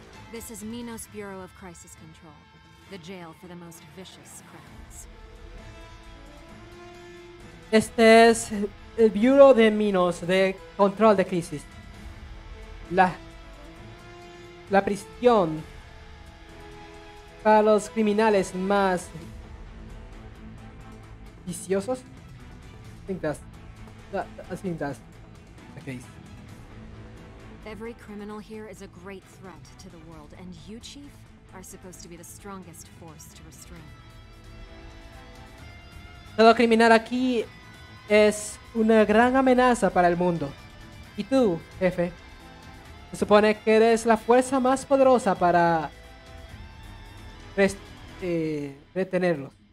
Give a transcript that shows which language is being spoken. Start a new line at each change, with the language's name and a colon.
English: This is Minos Bureau of Crisis Control, the jail for the most vicious criminals.
Spanish: Este es el Bureau de Minos de Control de Crisis. La prisión para los criminales más viciosos.
English: I think that's the case. Every criminal here is a great threat to the world, and you, Chief, are supposed to be the strongest force to restrain.
Spanish: Todo criminal aquí es una gran amenaza para el mundo. Y tú, jefe, se supone que eres la fuerza más poderosa para retenerlos.